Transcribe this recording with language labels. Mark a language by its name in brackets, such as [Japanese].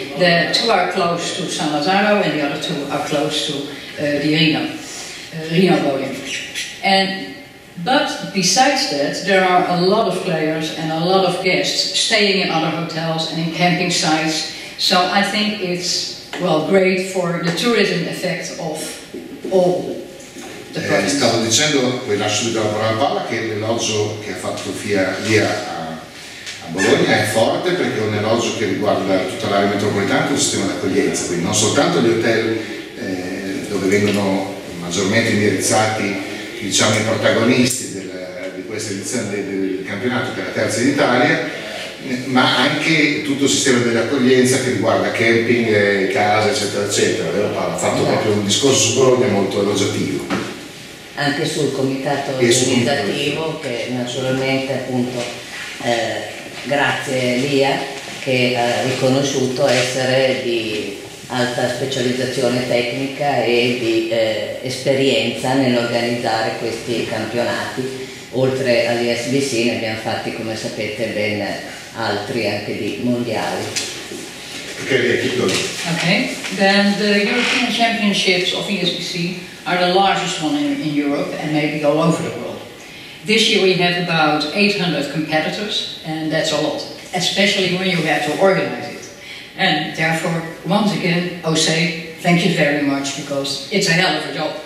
[English] The two are close to San Lazzaro and the other two are close to the Rino Bowling. But besides that, there are a lot of players and a lot of guests staying in other hotels and in camping sites. So I think it's, well, great for the tourism effect of all the projects. [Italian] Stavo dicendo, poi lascio subito la parola a Paola, che l'elogio che ha fatto via a Bologna è forte, perché è un elogio che riguarda tutta l'area metropolitana e il sistema d'accoglienza, quindi non soltanto gli hotel dove vengono maggiormente indirizzati, diciamo, i protagonisti di questa edizione del campionato, che è la terza in Italia, ma anche tutto il sistema dell'accoglienza che riguarda camping, case, eccetera, eccetera. Vero Paolo? Ha fatto proprio un discorso su Bologna molto elogiativo. Anche sul comitato organizzativo, che naturalmente appunto grazie Lia, che ha riconosciuto essere di alta specializzazione tecnica e di esperienza nell'organizzare questi campionati. Oltre all'ISBC ne abbiamo fatti, come sapete, ben altri anche di mondiali. [English] Okay, then the European Championships of ESBC are the largest one in Europe and maybe all over the world. This year we have about 800 competitors, and that's a lot, especially when you have to organize it. And therefore, once again, Jose, thank you very much, because it's a hell of a job.